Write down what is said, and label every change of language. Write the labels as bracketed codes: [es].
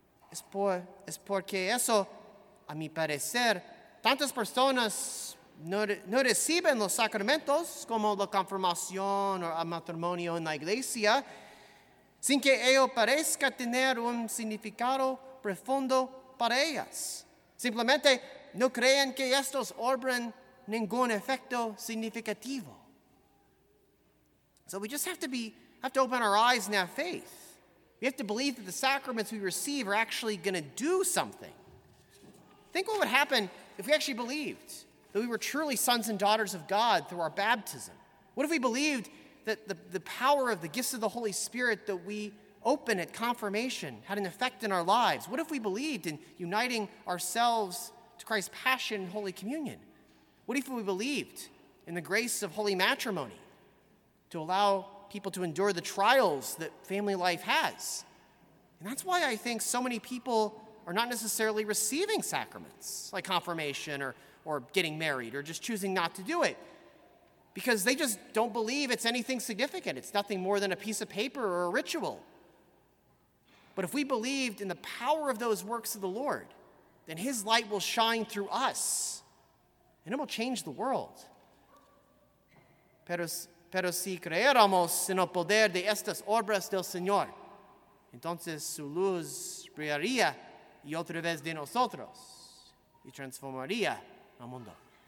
[es] Es porque eso, a mi parecer, tantas personas no reciben los sacramentos como la confirmación o el matrimonio en la iglesia, sin que ello parezca tener un significado profundo para ellas. Simplemente no creen que estos obren ningún efecto significativo. [en] So we just have to open our eyes and have faith. We have to believe that the sacraments we receive are actually going to do something. Think what would happen if we actually believed that we were truly sons and daughters of God through our baptism. What if we believed that the power of the gifts of the Holy Spirit that we open at confirmation had an effect in our lives? What if we believed in uniting ourselves to Christ's passion and Holy Communion? What if we believed in the grace of holy matrimony to allow people to endure the trials that family life has? And that's why I think so many people are not necessarily receiving sacraments like confirmation or getting married or just choosing not to do it, because they just don't believe it's anything significant. It's nothing more than a piece of paper or a ritual. But if we believed in the power of those works of the Lord, then his light will shine through us, and it will change the world. [es] Pero si creéramos en el poder de estas obras del Señor, entonces su luz brillaría y otra vez de nosotros y transformaría el mundo.